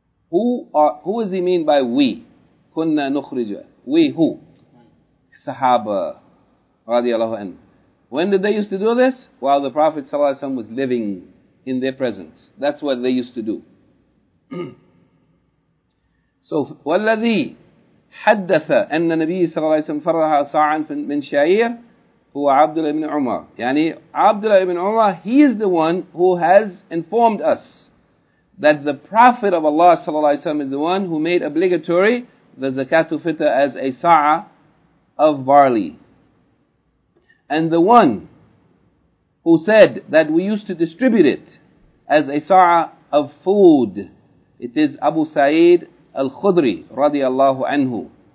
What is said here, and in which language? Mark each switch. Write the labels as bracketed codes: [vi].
[en] Who does he mean by we? [ar] Kunna nukhrija. [en] We who? Sahaba radiallahu anhu. When did they used to do this? While the Prophet sallallahu alaihi wasallam was living in their presence. That's what they used to do. [ar] So walladhi حَدَّثَ أَنَّ النَّبِيِّ صَلَّى اللَّهِ عَلَيْهِ وَسَلَّمَ فَرَّحَ صَاعًا مِنْ شَعِيرٍ هُوَ عَبْدُلَّهِ بْنُ عُمَرَ. [en] Yani, Abdullah ibn Umar, he is the one who has informed us that the Prophet of Allah صلى الله عليه وسلم is the one who made obligatory the zakatul fitr as a sa'a of barley. And the one who said that we used to distribute it as a sa'a of food, it is Abu Sa'id Al-Khudri radiallahu anhu.